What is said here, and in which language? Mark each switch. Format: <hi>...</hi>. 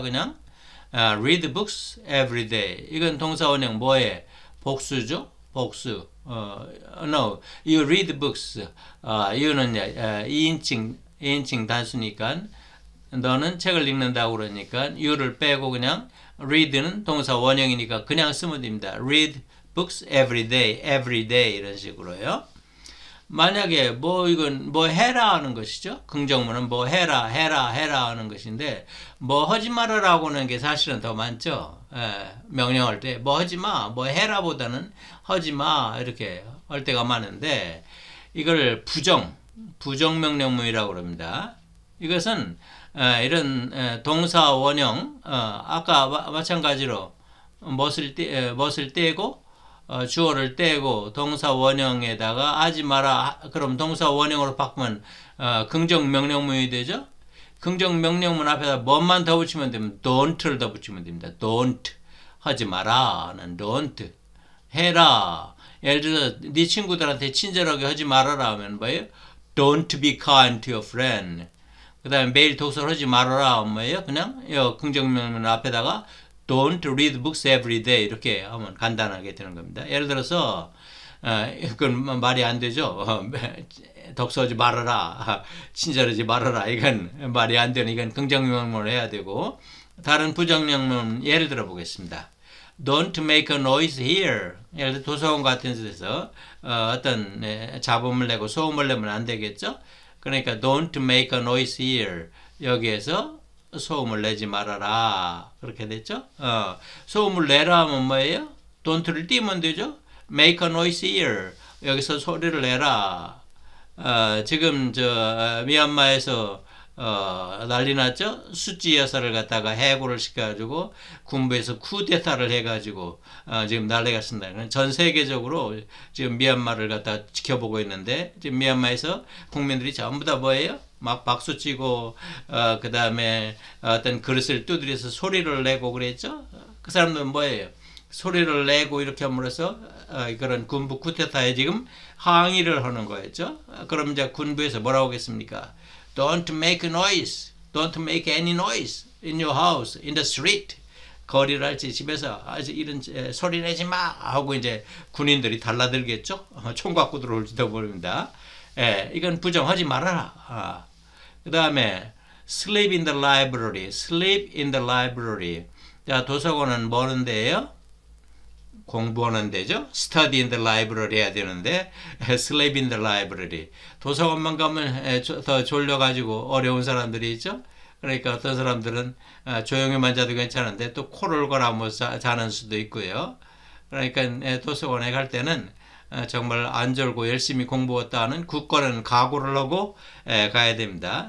<ko>그냥.</ko> <en>Read books every day.</en> <ko>이건 동사 원형 뭐예요? 복수죠? 복수.</ko> <en>No. You read books.</en> <ko>You는 2인칭 단수니까. 너는 책을 읽는다고 그러니까 you를 빼고 그냥 read는 동사 원형이니까 그냥 쓰면 됩니다.</ko> <en>Read books every day, every day</en> <ko>이런 식으로요. 만약에 뭐 이건 뭐 해라 하는 것이죠. 긍정문은 뭐 해라 하는 것인데 뭐 하지 말아라고 하는 게 사실은 더 많죠. 명령할 때뭐 하지 마, 뭐 해라보다는 하지 마 이렇게 할 때가 많은데 이걸 부정 명령문이라고 합니다. 이것은 이런 동사 원형 아까 마찬가지로 무엇을 떼고 주어를 떼고 동사 원형에다가 하지 마라 그럼 동사 원형으로 바꾸면 긍정 명령문이 되죠? 긍정 명령문 앞에다 뭐만 더 붙이면 되면 don't를 더 붙이면 됩니다. don't 하지 마라는 don't 해라. 예를 들어 네 친구들한테 친절하게 하지 말아라 하면 뭐예요?</ko> <en>don't be kind to your friend.</en> <ko>그 다음에 매일 독서를 하지 말아라 뭐예요? 그냥 요 긍정명령 앞에다가</ko> <en>Don't read books every day</en> <ko>이렇게 하면 간단하게 되는 겁니다. 예를 들어서 그건 말이 안 되죠. 독서하지 말아라, 친절하지 말아라 이건 말이 안 되는 이건 긍정명령을 해야 되고 다른 부정명령 예를 들어 보겠습니다.</ko> <en>Don't make a noise here.</en> <ko>예를 들어 도서관 같은 데서 어떤 잡음을 내고 소음을 내면 안 되겠죠? 그러니까</ko> <en>don't make a noise here.</en> <ko>여기에서 소음을 내지 말아라. 그렇게 됐죠? 소음을 내라 하면 뭐예요? don't를 떼면 되죠?</ko> <en>make a noise here.</en> <ko>여기서 소리를 내라. 지금 미얀마에서 난리 났죠? 수쥐 여사를 갖다가 해고를 시켜가지고 군부에서 쿠데타를 해가지고 지금 난리가 났습니다. 전 세계적으로 지금 미얀마를 갖다 지켜보고 있는데 지금 미얀마에서 국민들이 전부 다 뭐예요? 막 박수치고 그다음에 어떤 그릇을 두드려서 소리를 내고 그랬죠? 그 사람들은 뭐예요? 소리를 내고 이렇게 함으로써 그런 군부 쿠데타에 지금 항의를 하는 거였죠? 그럼 이제 군부에서 뭐라고 하겠습니까?</ko> <en>Don't make noise. Don't make any noise in your house, in the street.</en> <ko>거리랄지 집에서 아주 이런 소리 내지 마 하고 이제 군인들이 달라들겠죠? 총 갖고 들어올지도 모릅니다. 이건 부정하지 말아라. 그다음에</ko> <en>sleep in the library. Sleep in the library.</en> <ko>자, 도서관은 뭐는 데예요? 공부하는 데죠?</ko> <en>Study in the library</en> <ko>해야 되는데,</ko> <en>sleep in the library.</en> <ko>도서관만 가면 더 졸려가지고 어려운 사람들이 있죠? 그러니까 어떤 사람들은 조용히만 자도 괜찮은데, 또 코를 골아무서 자는 수도 있고요. 그러니까 도서관에 갈 때는 정말 안 졸고 열심히 공부했다는 굳건한 각오를 하고 가야 됩니다.</ko>